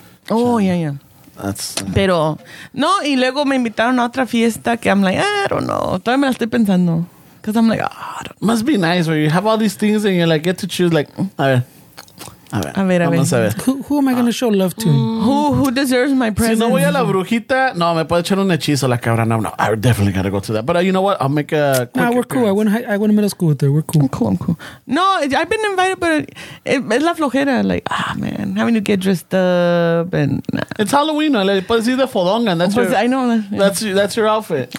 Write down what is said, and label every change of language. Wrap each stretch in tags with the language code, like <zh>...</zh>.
<en>Oh, yeah. That's.</en> <es>Pero, no, y luego me invitaron a otra fiesta que</es> <en>I'm like, I don't know.</en> <es>Todavía me la estoy pensando.</es> <en>Because I'm like, Must be nice where you have all these things and you're like, get to choose, like, all right.</en> <es>A ver.</es> <en>Who am I going to show love to? Who deserves my presence?</en> <es>Si no voy a la brujita, no, me puede echar un hechizo la cabra.</es> <en>No, I definitely got to go to that. But you know what? I'll make a quick appearance. We're cool. I went to middle school with her. We're cool. I'm cool. No, I've been invited, but</en> <es>es la flojera.</es> <en>Like, man, having to get dressed up. It's Halloween.</en> <es>¿No? Le puedes ir de fodonga.</es> <en>That's your outfit.</en>